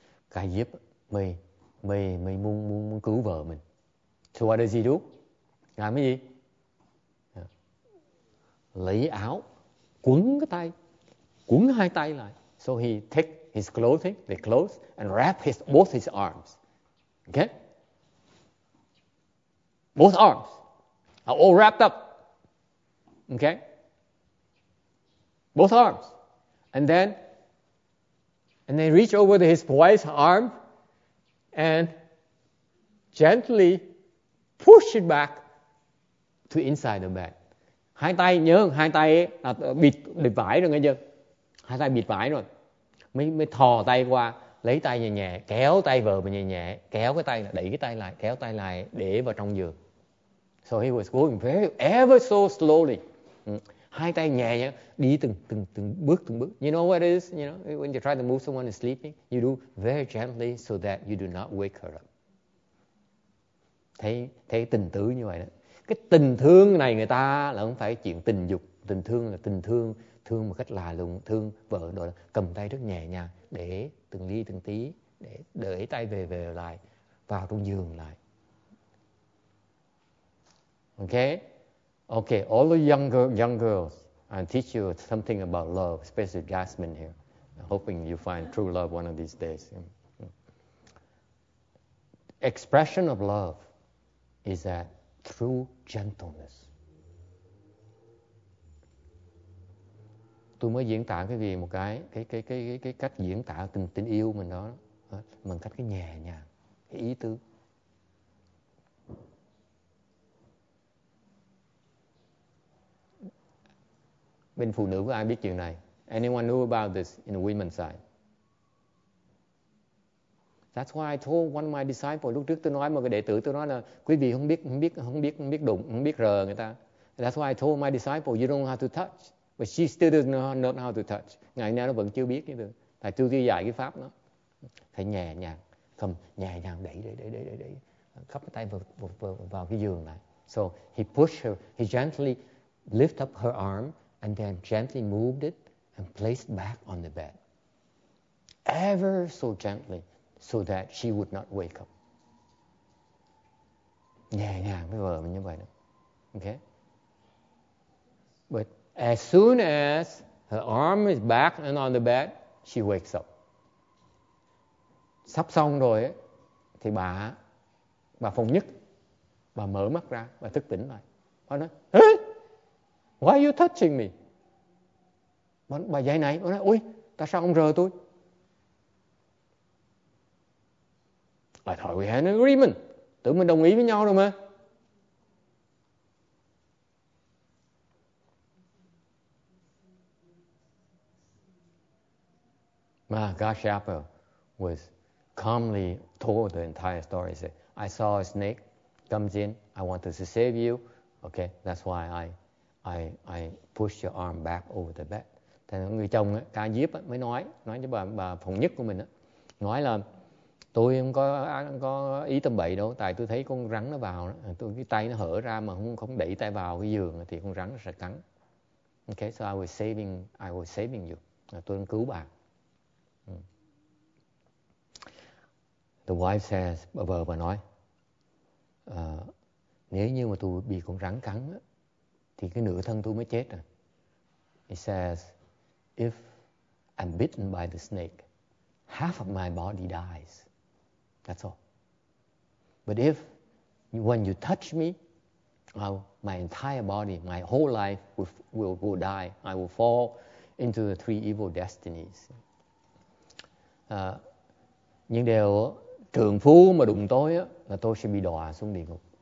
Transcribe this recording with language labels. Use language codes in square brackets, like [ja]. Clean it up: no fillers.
[vi] Kayip mới muốn cứu vợ mình. [en] So what does he do? [vi] Làm cái gì? Lấy áo, quấn cái tay, quấn hai tay lại. [en] So he take his clothing, the clothes, and wrap his both his arms. Okay? Both arms are all wrapped up. Okay? Both arms. And then reach over to his wife's arm and gently push it back to inside the bed. [vi] Hai tay nhớ, hai tay là bịt vải rồi nghe chưa? Hai tay bịt vải rồi. Mới thò tay qua, lấy tay nhẹ nhẹ, kéo tay vợ mình nhẹ nhẹ, kéo cái tay, đẩy cái tay lại, kéo tay lại, để vào trong giường. [en] So he was going very, ever so slowly. [vi] Hai tay nhẹ nhẹ, đi từng bước. [en] You know what it is? You know, when you try to move someone who's sleeping, you do very gently so that you do not wake her up. [vi] Thấy tình tứ như vậy đó. Cái tình thương này người ta là không phải chuyện tình dục, tình thương là tình thương, thương một cách lạ lùng, thương vợ đó, cầm tay rất nhẹ nhàng, để từng ly từng tí, để đẩy tay về lại, vào trong giường lại. [en] Okay, all the young girls, I'll teach you something about love, especially Jasmine here. I'm hoping you find true love one of these days. Expression of love is that through gentleness. [vi] Tôi mới diễn tả cái gì một cái cách diễn tả tình yêu mình đó bằng cách cái nhẹ nhàng, cái ý tứ. Bên phụ nữ có ai biết chuyện này? [en] Anyone know about this in the women's side? That's why I told one of my disciples, [vi] lúc trước tôi nói một cái đệ tử, tôi nói là quý vị không biết rờ người ta. [en] That's why I told my disciple, you don't know how to touch. But she still doesn't know how to touch. [vi] Ngày nay nó vẫn chưa biết. Tại tôi chưa dạy cái pháp nó. Phải nhẹ nhàng, không nhẹ nhàng đẩy. Khắp tay vào cái giường này. [en] So he pushed her, he gently lift up her arm and then gently moved it and placed back on the bed. Ever so gently. So that she would not wake up. [vi] Nhẹ nhàng với vợ mình như vậy đó. [en] Okay? But as soon as her arm is back and on the bed, she wakes up. [vi] Sắp xong rồi ấy, thì bà phòng nhất, bà mở mắt ra, bà thức tỉnh lại. Bà nói, [en] hey, why are you touching me? [vi] Bà dậy này, bà nói, ui, tại sao ông rờ tôi? [en] I thought we had an agreement. [vi] Tưởng mình đồng ý với nhau rồi mà. [en] Mahakashyapa was calmly told the entire story. He said, I saw a snake comes in. I wanted to save you. Okay, that's why I pushed your arm back over the bed. [vi] Thì người chồng Kayip mới nói cho bà phòng nhất của mình, nói là tôi không có ý tâm bậy đâu, tại tôi thấy con rắn nó vào, tôi cái tay nó hở ra mà không đẩy tay vào cái giường thì con rắn nó sẽ cắn. [en] Okay, so I was saving you. [vi] Tôi đang cứu bà. [en] The wife says, [vi] bà nói, nếu như mà tôi bị con rắn cắn thì cái nửa thân tôi mới chết rồi. [en] He says, if I'm bitten by the snake, half of my body dies. That's all. But if when you touch me, my entire body, my whole life will die. I will fall into the three evil destinies. [vi] Những điều trượng phu mà đụng tôi á, là tôi sẽ bị đọa xuống địa ngục.